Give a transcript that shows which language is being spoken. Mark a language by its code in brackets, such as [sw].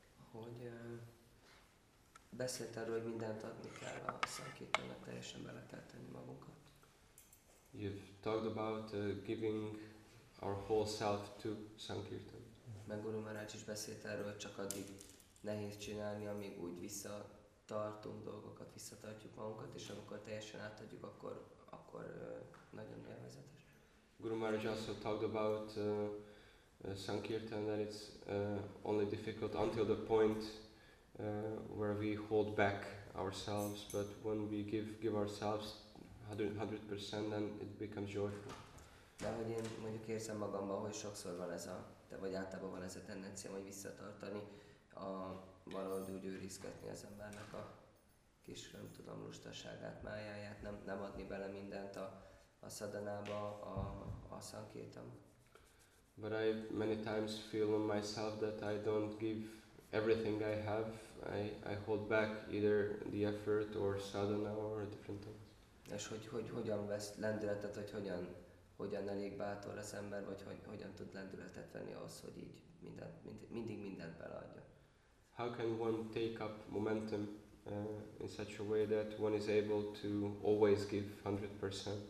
[hu] Hogy beszélt arról, hogy mindent adni kell a szankítanak, teljesen bele kell tenni magunkat. [en] You've talked about giving our whole self to sankirtan. [hu] Meg Guru Maharaj is beszélt erről, csak addig nehéz csinálni, amíg úgy vissza tartunk dolgokat, visszatartjuk magunkat, és amikor teljesen átadjuk, akkor nagyon élvezetes. [en] Guru Maharaj also talked about Sankirtan, that it's only difficult until the point where we hold back ourselves, but when we give ourselves 100%, then it becomes joyful. [hu] De hogy én mondjuk érzem magamban, hogy sokszor van ez a, de vagy általában van ez a tendencia, hogy visszatartani, valahogy úgy őrizgetni az embernek a kis, nem tudom, lustaságát, májáját, nem adni bele mindent a szadanába, a szankétam. [en] But I many times feel on myself that I don't give everything I have. I hold back either the effort or sadhana or different things. [hu] És hogy hogyan vesz lendületet, hogy hogyan elég bátor az ember, vagy hogyan tud lendületet venni ahhoz, hogy így mindig mindent beleadja. [en] How can one take up momentum in such a way that one is able to always give 100%?